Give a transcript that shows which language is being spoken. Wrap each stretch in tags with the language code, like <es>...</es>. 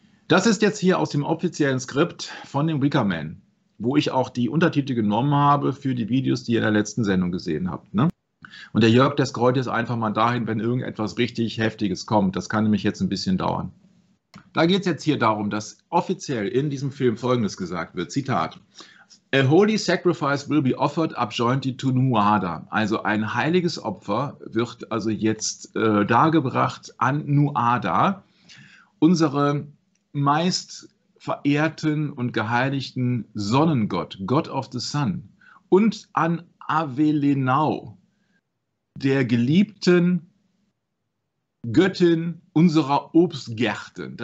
<de>Das ist jetzt hier aus dem offiziellen Skript von dem Wicker Man, wo ich auch die Untertitel genommen habe für die Videos, die ihr in der letzten Sendung gesehen habt. Ne? Und der Jörg, der scrollt jetzt einfach mal dahin, wenn irgendetwas richtig Heftiges kommt. Das kann nämlich jetzt ein bisschen dauern. Da geht es jetzt hier darum, dass offiziell in diesem Film Folgendes gesagt wird. Zitat.</de> <en>A holy sacrifice will be offered up jointly to Nuada.</en> <de>Also ein heiliges Opfer wird also jetzt dargebracht an Nuada, unsere meist verehrten und geheiligten Sonnengott,</de> <en>God of the Sun,</en> <de>und an Avelenau, der geliebten Göttin unserer Obstgärten.</de>